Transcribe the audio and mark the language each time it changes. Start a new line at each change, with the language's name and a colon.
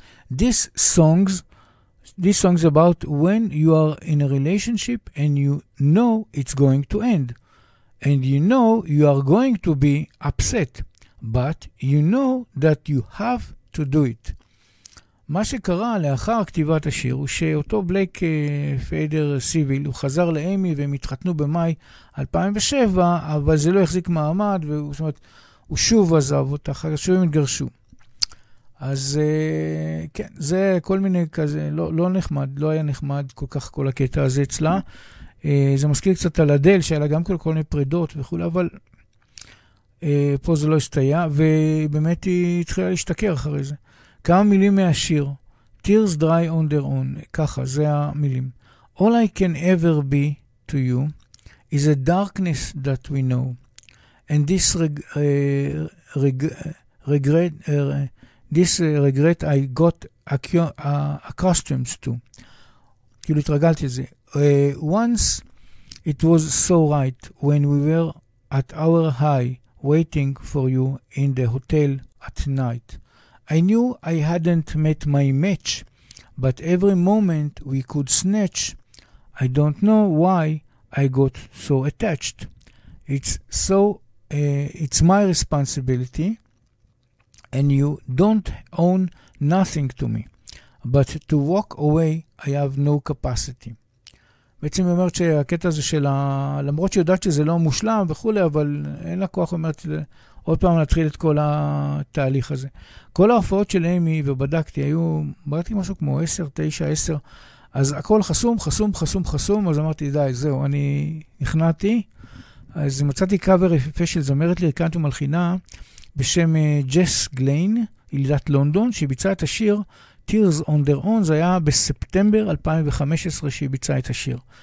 English: This song's about when you are in a relationship and you know it's going to end. And you know you are going to be upset. But you know that you have to do it.
Hebrew: מה שקרה לאחר כתיבת השיר הוא שאותו בלק פיידר סיביל, הוא חזר לאימי והם התחתנו במאי 2007, אבל זה לא החזיק מעמד, והוא, זאת אומרת, הוא שוב עזב אותה, אחר כך שוב הם התגרשו. אז כן, זה כל מיני כזה, לא נחמד, לא היה נחמד כל כך כל הקטע הזה אצלה. זה מזכיר קצת על אדל, שהיה לה גם כל מיני פרידות וכו', אבל פה זה לא הסתייע, ובאמת היא התחילה להשתקר אחרי זה. כמה מילים מהשיר, Tears Dry on Their Own, ככה, זה המילים.
English: All I can ever be to you is a darkness that we know, and this regret I got accustomed to.
Hebrew: כאילו התרגלתי את זה.
English: Once it was so right when we were at our high waiting for you in the hotel at night. I knew I hadn't met my match, but every moment we could snatch, I don't know why I got so attached. It's my responsibility, and you don't own nothing to me, but to walk away I have no capacity.
Hebrew: בעצם היא אומרת שהקטע הזה של למרות שהיא יודעת שזה לא מושלם וכולי, אבל אין לה כוח, היא אומרת, עוד פעם נתחיל את כל התהליך הזה. כל ההופעות של איימי, ובדקתי, היו, בדקתי משהו כמו 10, 9, 10, אז הכל חסום, חסום, חסום, חסום, אז אמרתי, די, זהו, אני נכנעתי, אז מצאתי קאבר יפה של זמרת לירקנט ומלחינה, בשם ג'ס גליין, ילידת לונדון, שביצעה את השיר Tears on Their Own, זה היה בספטמבר 2015 שהיא ביצעה את השיר.